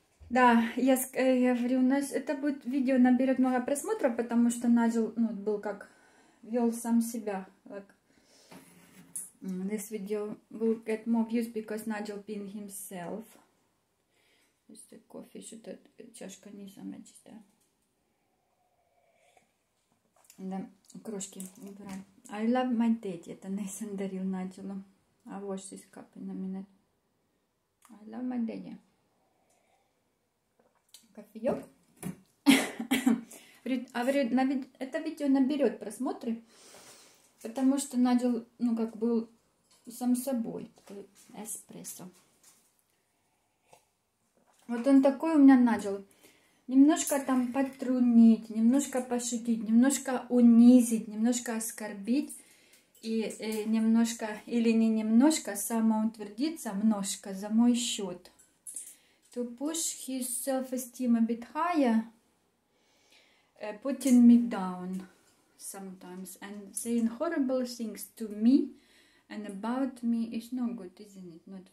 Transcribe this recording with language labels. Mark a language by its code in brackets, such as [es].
[ru] Да, я говорю, у нас это будет видео наберет много просмотров, потому что Наджел, ну, был как вел сам себя. [en] Like, this video will get more views because Наджел being himself. [ru] Это кофе, что-то чашка не самая чистая. Да, крошки убираем. [en] I love my daddy. [ru] Это Нейсон дарил Наджелу. [en] I wash this cup in a minute. I love my daddy. [ru] Кофеёк. Говорю, это видео наберет просмотры, потому что Наджел, ну, как был сам собой, такой эспрессо. Вот он такой у меня Наджел. Немножко там потрунить, немножко пошутить, немножко унизить, немножко оскорбить. И немножко, или не немножко, самоутвердиться, множко, за мой счет. [en] To push his self-esteem a bit higher, putting me down sometimes and saying horrible things to me and about me is no good, isn't it?